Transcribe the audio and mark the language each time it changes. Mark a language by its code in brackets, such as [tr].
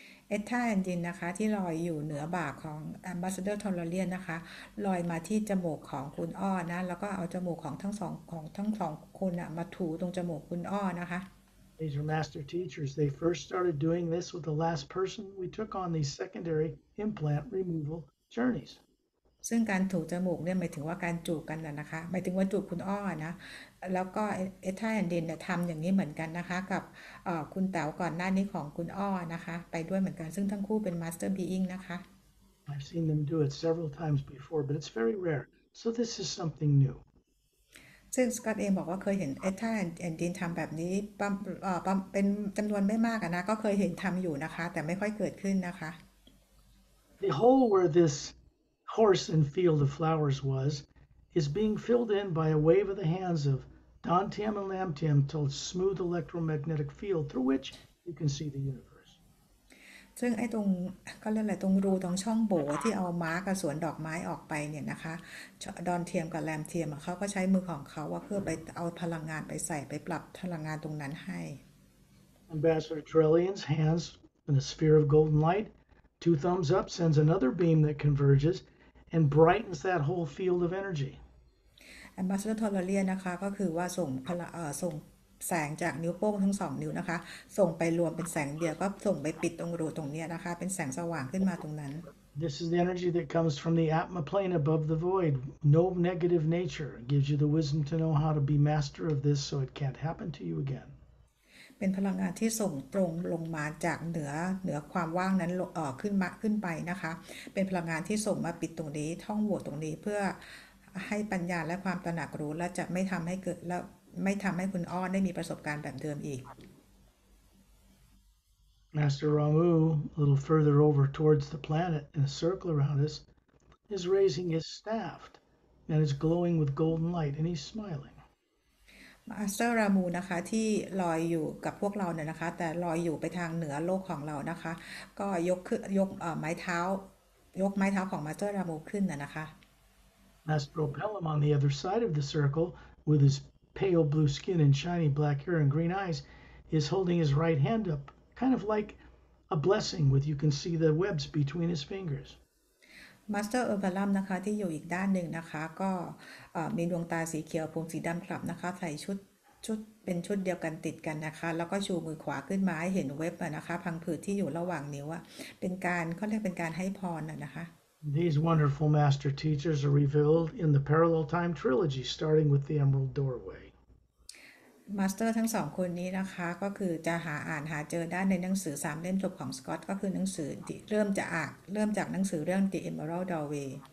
[th] Edda and Din นะคะที่ลอยอยู่เหนือบ่าของ Ambassador Torellian นะคะลอยมาที่จมูกของคุณอ้อนะแล้วก็เอาจมูกของทั้งสองคนนะมาถูตรงจมูกคุณอ้อนะคะ [en] These are master teachers. They first started doing this with the last person we took on these secondary implant removal journeys. [th] ซึ่งการถูจมูกเนี่ยหมายถึงว่าการจูบกันนะคะหมายถึงว่าจูบคุณอ้อนะแล้วก็เอท่าแอนเดนเนี่ยทำอย่างนี้เหมือนกันนะคะกับคุณเต๋าก่อนหน้านี้ของคุณอ้อนะคะไปด้วยเหมือนกันซึ่งทั้งคู่เป็นมาสเตอร์บีอิงนะคะ [en] I've seen them do it several times before but it's very rare so this is something new [th] ซึ่งสกอตเองบอกว่าเคยเห็นเอท่าแอนเดนทำแบบนี้เป็นจำนวนไม่มากนะก็เคยเห็นทำอยู่นะคะแต่ไม่ค่อยเกิดขึ้นนะคะ [en] The hole where this horse and field of flowers was is being filled in by a wave of the hands of Don Tam and Lam Tam to a smooth electromagnetic field through which you can see the universe. [th] ซึ่งไอ้ตรงก็เรียกอะไรตรงรูตรงช่องโบ๋ที่เอาม้ากับสวนดอกไม้ออกไปเนี่ยนะคะดอนเทียมกับแลมเทียมเขาก็ใช้มือของเขาว่าเพื่อไปเอาพลังงานไปใส่ไปปรับพลังงานตรงนั้นให้ [en] Ambassador Trillian's hands in a sphere of golden light two thumbs up sends another beam that converges and brightens that whole field of energy. [th] Ambassador Tolerian นะคะก็คือว่าส่งพลังส่งแสงจากนิ้วโป้งทั้งสองนิ้วนะคะส่งไปรวมเป็นแสงเดียวก็ส่งไปปิดตรงรูตรงนี้นะคะเป็นแสงสว่างขึ้นมาตรงนั้น [en] This is the energy that comes from the Atma plane above the void. No negative nature. It gives you the wisdom to know how to be master of this so it can't happen to you again. [th] เป็นพลังงานที่ส่งตรงลงมาจากเหนือความว่างนั้นขึ้นไปนะคะเป็นพลังงานที่ส่งมาปิดตรงนี้ท่องโหว่ตรงนี้เพื่อให้ปัญญาและความตระหนักรู้และจะไม่ทําให้เกิดและไม่ทําให้คุณอ้อได้มีประสบการณ์แบบเดิมอีก [en] Master Ramu a little further over towards the planet in a circle around us is raising his staff and it's glowing with golden light and he's smiling [th] มาสเตอร์รามูนะคะที่ลอยอยู่กับพวกเราเนี่ยนะคะแต่ลอยอยู่ไปทางเหนือโลกของเรานะคะก็ยกไม้เท้าของมาสเตอร์รามูขึ้นนะคะ [en] Astral Pelham on the other side of the circle, with his pale blue skin and shiny black hair and green eyes, is holding his right hand up, kind of like a blessing, with you can see the webs between his fingers. [th] มาสเตอร์เออร์บาลัมนะคะที่อยู่อีกด้านหนึ่งนะคะก็มีดวงตาสีเขียวผมสีดำคลับนะคะใส่ชุดเป็นชุดเดียวกันติดกันนะคะแล้วก็ชูมือขวาขึ้นมาให้เห็นเว็บนะคะพังผืดที่อยู่ระหว่างนิ้วอ่ะเป็นการเขาเรียกเป็นการให้พรนะคะ [en] These wonderful master teachers are revealed in the parallel time trilogy, starting with the Emerald Doorway. [th] มาสเตอร์ทั้งสองคนนี้นะคะก็คือจะหาอ่านหาเจอได้ในหนังสือ3 เล่มจบของสกอตก็คือหนังสือที่เริ่มจะอ่านเริ่มจากหนังสือเรื่อง The Emerald Doorway